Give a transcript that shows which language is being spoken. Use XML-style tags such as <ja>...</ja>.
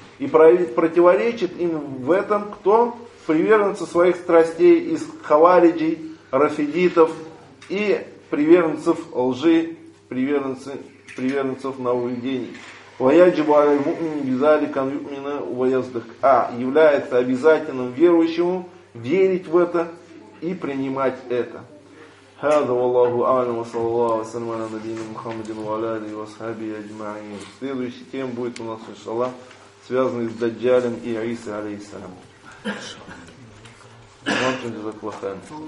<ru>И противоречит им в этом кто? Приверженцы своих страстей из хавариджей, рафидитов и приверженцев лжи, приверженцев нововведений.</ru> <ar>Ваяджибу аль муъмини би залика ан юъмина ва яздык.</ar> <ru>А является обязательным верующему верить в это и принимать это.</ru> <ar>هذا والله أعلم وصلى الله وسلم على نبينا محمد وعلى آله وصحبه أجمعين.</ar> <ru>Следующая тема будет у нас, иншаллах, связанная с Даджалем и Иса алейхиссалям.</ru>